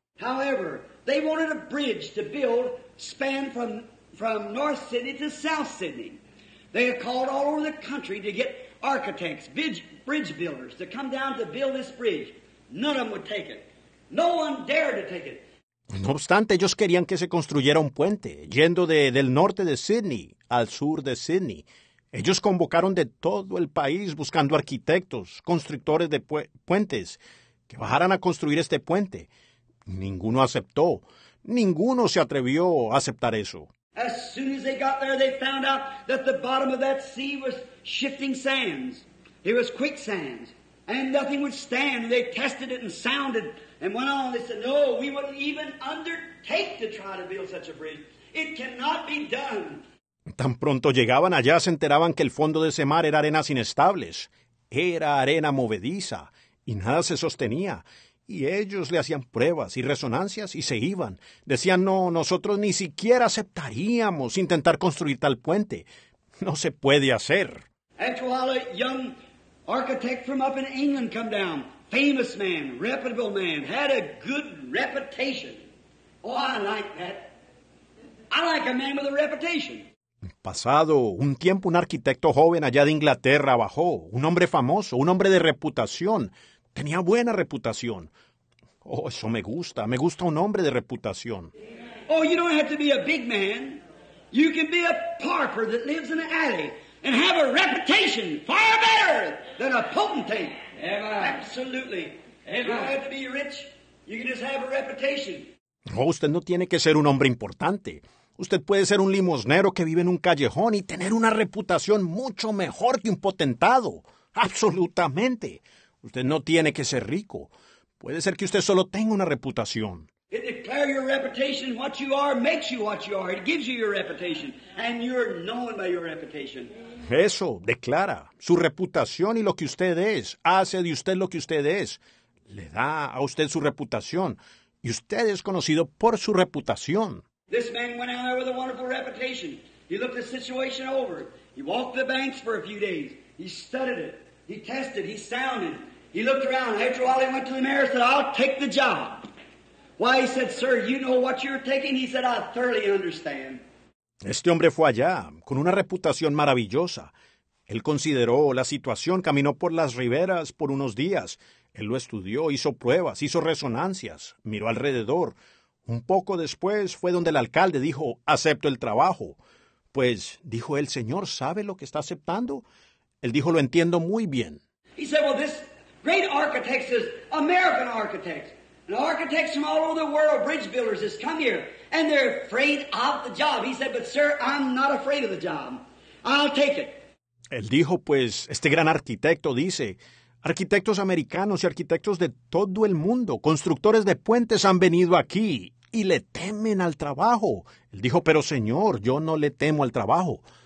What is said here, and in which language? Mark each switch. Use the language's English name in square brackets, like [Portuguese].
[English] However, they wanted a bridge to build span from North Sydney to South Sydney. They had called all over the country to get architects, bridge builders, to come down to build this bridge. None of them would take it. No one dared to take it. [Spanish] No obstante, ellos querían que se construyera un puente, yendo del norte de Sydney al sur de Sydney. Ellos convocaron de todo el país buscando arquitectos, constructores de puentes, que bajaran a construir este puente. Ninguno aceptó. Ninguno se atrevió a aceptar eso. [English] As soon as they got there, they found out that the bottom of that sea was shifting sands. It was quicksands. And nothing would stand. They tested it and sounded and went on. They said, no, we wouldn't even undertake to try to build such a bridge. It cannot be done. [Spanish] Tan pronto llegaban allá, se enteraban que el fondo de ese mar era arenas inestables. Era arena movediza y nada se sostenía. Y ellos le hacían pruebas y resonancias y se iban. Decían, no, nosotros ni siquiera aceptaríamos intentar construir tal puente. No se puede hacer. [English] Actually, a young architect from up in England come down. Famous man, reputable man, had a good reputation. Oh, I like that. I like a man with a reputation. [Spanish] Pasado un tiempo, un arquitecto joven allá de Inglaterra bajó. Un hombre famoso, un hombre de reputación. Tenía buena reputación. Oh, eso me gusta. Me gusta un hombre de reputación. [English] Oh, you don't have to be a big man. You can be a pauper that lives in an alley and have a reputation far better than a potentate. Amen. Absolutely. Amen. You don't have to be rich. You can just have a reputation. [Spanish] Oh, usted no tiene que ser un hombre importante. Usted puede ser un limosnero que vive en un callejón y tener una reputación mucho mejor que un potentado. Absolutamente. Usted no tiene que ser rico. Puede ser que usted solo tenga una reputación. [English] It declares your reputation. What you are makes you what you are. It gives you your reputation. And you're known by your reputation. [Spanish] Eso declara. Su reputación y lo que usted es hace de usted lo que usted es. Le da a usted su reputación. Y usted es conocido por su reputación. [English] This man went out there with a wonderful reputation. He looked the situation over. He walked the banks for a few days. He studied it. He tested, he sounded, he looked around. After a while, he went to the mayor and said, I'll take the job. Why, he said, sir, you know what you're taking? He said, I thoroughly understand. [Spanish] Este hombre fue allá, con una reputación maravillosa. Él consideró la situación, caminó por las riberas por unos días. Él lo estudió, hizo pruebas, hizo resonancias, miró alrededor. Un poco después fue donde el alcalde dijo, acepto el trabajo. Pues, dijo él, señor, ¿sabe lo que está aceptando? Él dijo, lo entiendo muy bien. [English] He said, well, this great architect is American architects. And architects from all over the world, bridge builders, has come here. And they're afraid of the job. He said, but sir, I'm not afraid of the job. I'll take it. [Spanish] Él dijo, pues, este gran arquitecto dice, Arquitectos americanos y arquitectos de todo el mundo, constructores de puentes han venido aquí y le temen al trabajo. Él dijo, pero señor, yo no le temo al trabajo.